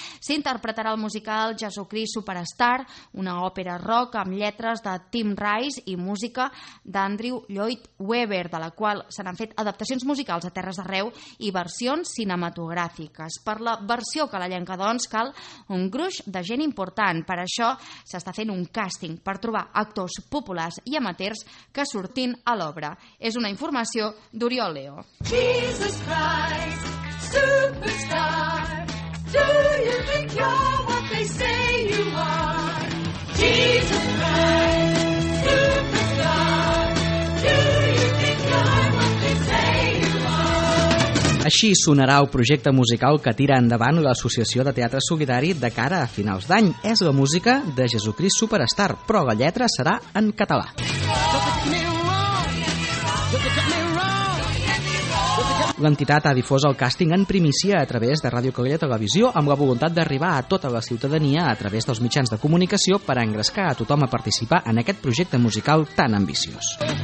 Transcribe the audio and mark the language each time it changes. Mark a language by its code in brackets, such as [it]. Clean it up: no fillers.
[ca] S'interpretarà el musical Jesucrist Superstar, una òpera rock amb lletres de Tim Rice i música d'Andrew Lloyd Webber, de la qual s'han fet adaptacions musicals a Terres d'Arreu i versions cinematogràfiques. Per la versió calellenca, doncs, cal un gruix de gent important. Per això s'està fent un càsting per trobar actors populars i amateurs que surtin a l'obra. És una informació d'Oriol Leo. [en] Jesus Christ, superstar, do you think you're what they say you are? Jesus Christ, superstar, do you think you're what they say you are? [ca] Així sonarà el projecte musical que tira endavant l'Associació de Teatre Solidari de cara a finals d'any. És la música de Jesucrist Superstar, però la lletra serà en català. L'entitat ha difós el càsting en primícia a través de Ràdio Calella Televisió amb la voluntat d'arribar a tota la ciutadania a través dels mitjans de comunicació per engrescar a tothom a participar en aquest projecte musical tan ambiciós.